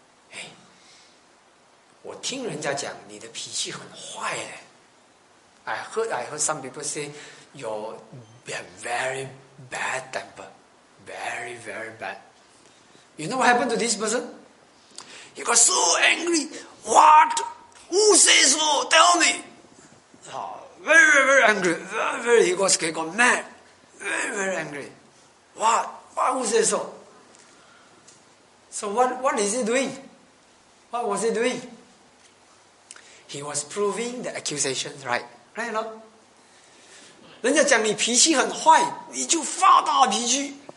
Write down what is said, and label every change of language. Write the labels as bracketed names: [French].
[Chinese] Hey, 我听人家讲你的脾气很坏耶。 [English] I heard some people say you're very bad temper. Very, very bad. You know what happened to this person? He got so angry. What? Who says so? Tell me. Very angry. He got scared, got mad. Very angry. What? Why was it so? So what is he doing? What was he doing? He was proving the accusation right. right? [Chinese] 人家讲你脾气很坏，你就发大脾气。